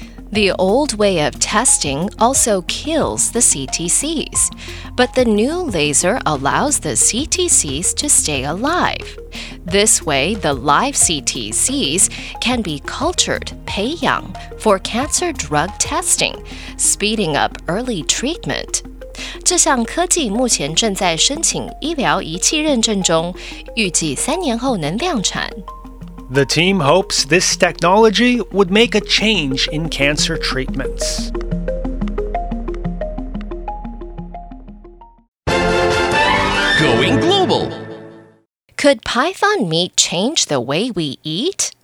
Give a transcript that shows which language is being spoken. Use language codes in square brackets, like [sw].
[en] The old way of testing also kills the CTCs. But the new laser allows the CTCs to stay alive. This way, the live CTCs can be cultured, 培养, for cancer drug testing, speeding up early treatment. [zh] 这项科技目前正在申请医疗仪器认证中，预计三年后能量产。 [en] The team hopes this technology would make a change in cancer treatments. Going global. Could python meat change the way we eat?